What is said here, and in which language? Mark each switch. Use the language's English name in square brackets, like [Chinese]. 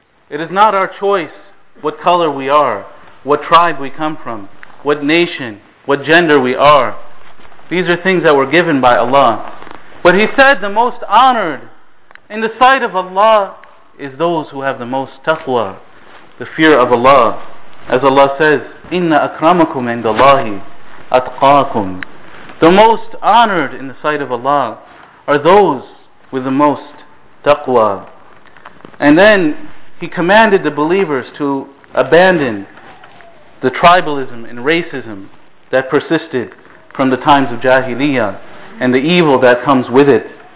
[English] It is not our choice what color we are, what tribe we come from, what nation, what gender we are. These are things that were given by Allah. But he said the most honored in the sight of Allah is those who have the most taqwa, the fear of Allah. As Allah says, [Arabic] إِنَّ أَكْرَمَكُمْ عِنْدَ اللَّهِ أَتْقَاكُمْ. [English] The most honored in the sight of Allah are those with the most taqwa. And then he commanded the believers to abandon the tribalism and racism that persisted from the times of Jahiliyyah and the evil that comes with it.